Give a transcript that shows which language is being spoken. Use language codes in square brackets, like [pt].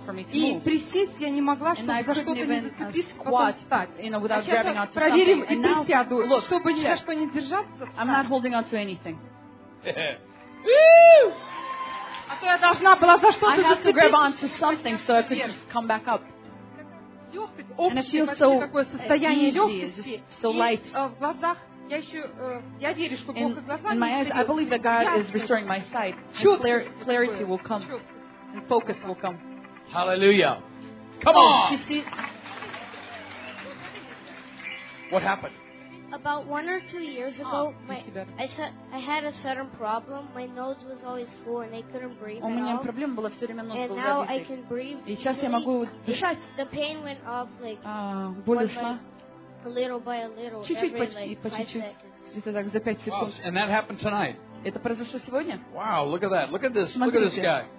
[ru] И присесть я не могла, чтобы за что-то не зацепиться, потом встать. А сейчас я проверим и присяду, чтобы ни за что не держаться. Я не а то я должна была за что-то зацепиться. [en] And it feels so easy, just so light. In my eyes, I believe that God is restoring my sight. Clarity will come. And focus will come. Hallelujah. Come on! What happened? About one or two years ago, I had a certain problem. My nose was always full and I couldn't breathe. [ru] У меня проблема была все время нос был забитый. [en] And now I can breathe. [ru] И сейчас я могу дышать. [en] The pain went off like [ru] боль ушла. [en] A little by a little. [ru] Чуть-чуть по чуть-чуть. Это так за 5 секунд. [en] And that happened tonight. [ru] Это произошло сегодня? [en] Wow, look at that. Look at this. [ru] Смотрите. [en] Look at this guy.